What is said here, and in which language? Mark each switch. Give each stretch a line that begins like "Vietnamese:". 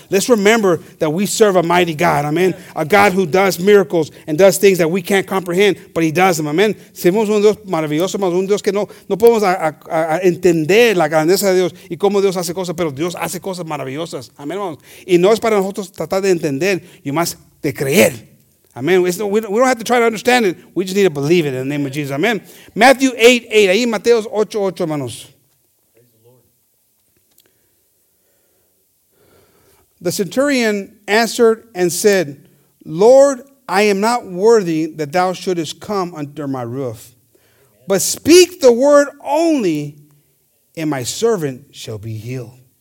English: Let's remember that we serve a mighty God, amen. A God who does miracles and does things that we can't comprehend, but he does them, amen.
Spanish: Servimos un Dios maravilloso, un Dios que no podemos entender la grandeza de Dios y cómo Dios hace cosas, pero Dios hace cosas maravillosas, amen. Y no es para nosotros tratar de entender, y más de creer, amen.
English: We don't have to try to understand it. We just need to believe it in the name of Jesus, amen.
Spanish: Matthew 8:8, ahí Mateos 8:8, hermanos.
English: The centurion answered and said, Lord, I am not worthy that thou shouldest come under my roof, but speak the word only, and my servant shall be healed.